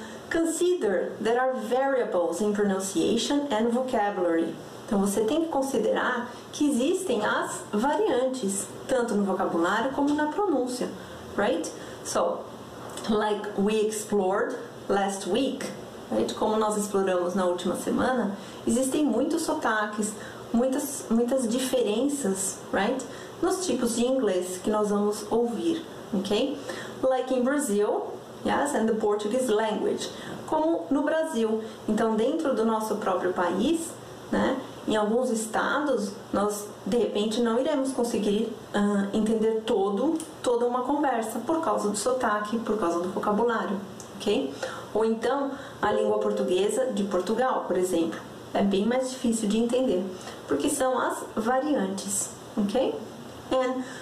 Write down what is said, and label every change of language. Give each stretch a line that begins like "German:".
English: Consider there are variables in pronunciation and vocabulary.
Portuguese: Então, você tem que considerar que existem as variantes, tanto no vocabulário como na pronúncia, right?
English: So, like we explored last week,
Portuguese: como nós exploramos na última semana, existem muitos sotaques, muitas diferenças, right? Nos tipos de inglês que nós vamos ouvir, ok?
English: Like in Brazil, yes, and the Portuguese language.
Portuguese: Como no Brasil, então dentro do nosso próprio país, né, em alguns estados, nós de repente não iremos conseguir entender toda uma conversa por causa do sotaque, por causa do vocabulário. Okay? Ou então, a língua portuguesa de Portugal, por exemplo, é bem mais difícil de entender, porque são as variantes, ok? And